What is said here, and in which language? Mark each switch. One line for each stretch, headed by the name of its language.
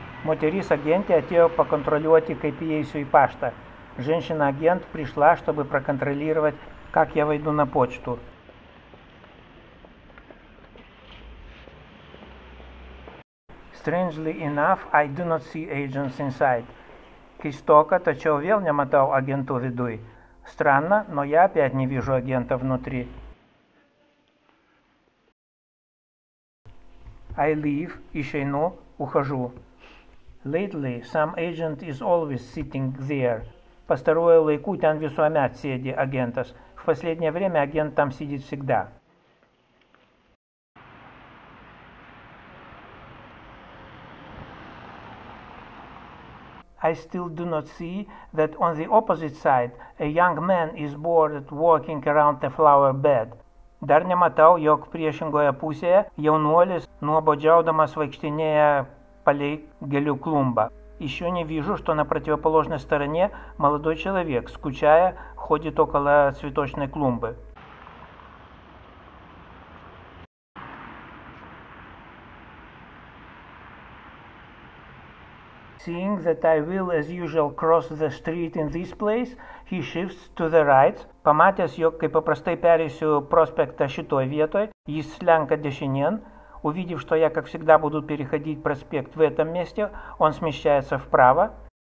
Lithuanian: Moteris agentė atėjo pakontroliuoti, kaip įeisiu į paštą.
Russian: Женщина агент пришла, чтобы проконтролировать, как я войду на почту.
English: Strangely enough, I do not see agents inside.
Lithuanian: Keistoka, tačiau vėl nematau agentų viduj.
Russian: Странно, но я опять не вижу агента внутри.
English: I leave,
Lithuanian: išeinu,
Russian: ухожу.
English: Lately, some agent is always sitting there.
Lithuanian: Пастарую лайку тян висуамят седи агентас.
Russian: В последнее время агент там сидит всегда.
English: I still do not see that on the opposite side a young man is bored walking around a flower bed.
Lithuanian: Dar nematau, jog priešingoje pusėje jaunuolis nuobodžiaudamas vaikštinėja palei gėlių klumbą.
Russian: Еще не вижу, что на противоположной стороне молодой человек, скучая, ходит около цветочной клумбы.
English: Seeing that I will, as usual, cross the street in this place, he shifts to the right.
Lithuanian: Pamatęs, jog kaip paprastai perėsiu prospektą šitoj vietoj, jis slenka dešinien.
Russian: Увидев, что я, как всегда, буду переходить проспект в этом месте, он смещается вправо.